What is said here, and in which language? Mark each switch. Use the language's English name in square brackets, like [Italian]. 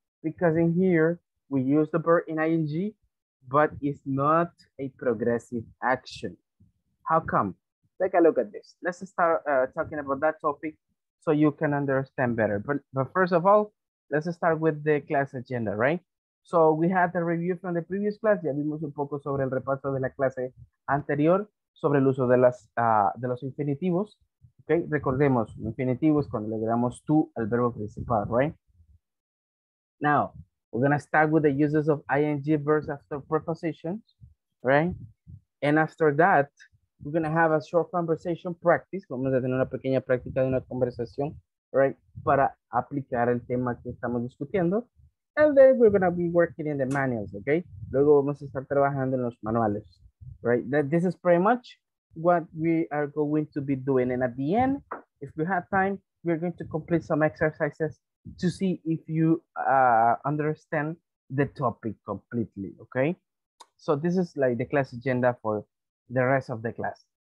[English] Because in here, we use the verb in ing, but it's not a progressive action. How come? Take a look at this. Let's start talking about that topic so you can understand better. But first of all, let's start with the class agenda, right? So we had the review from the previous class. [Spanish] Ya vimos un poco sobre el repaso de la clase anterior sobre el uso de los infinitivos. Okay, recordemos, infinitivos cuando le agregamos to al verbo principal, right? [English] Now, we're gonna start with the uses of ing verbs after prepositions, right? And after that, we're gonna have a short conversation practice. [Spanish] Vamos a tener una pequeña práctica de una conversación, right? Para aplicar el tema que estamos discutiendo. [English] And then we're going to be working in the manuals, okay? [Spanish] Luego vamos a estar trabajando en los manuales, right? [English] This is pretty much what we are going to be doing. And at the end, if we have time, we're going to complete some exercises to see if you understand the topic completely, okay? So this is like the class agenda for the rest of the class.